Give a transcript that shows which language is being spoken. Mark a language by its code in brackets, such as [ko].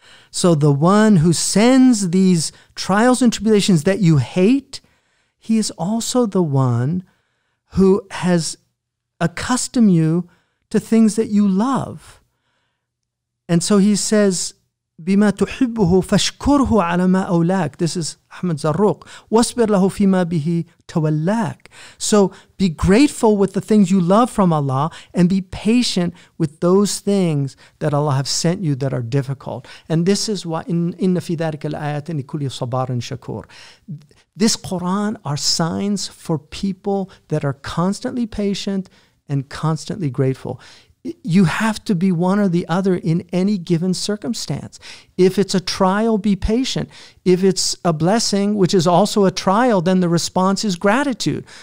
[en] So the one who sends these trials and tribulations that you hate, he is also the one who has accustomed you to things that you love. And so he says, [ar] بِمَا تُحِبُّهُ فَاشْكُرْهُ عَلَى مَا أَوْلَاكَ. [en] This is Ahmad Zarruq. [ar] وَاصْبِرْ لَهُ فِيمَا بِهِ تَوَلَّاكَ. [en] So be grateful with the things you love from Allah and be patient with those things that Allah have sent you that are difficult. And this is why, [ar] إِنَّ فِي ذَلِكَ الْآيَاتِ لِكُلِّ صَبَارٍ شَكُورٍ. [en] This Quran are signs for people that are constantly patient and constantly grateful. You have to be one or the other in any given circumstance. If it's a trial, be patient. If it's a blessing, which is also a trial, then the response is gratitude.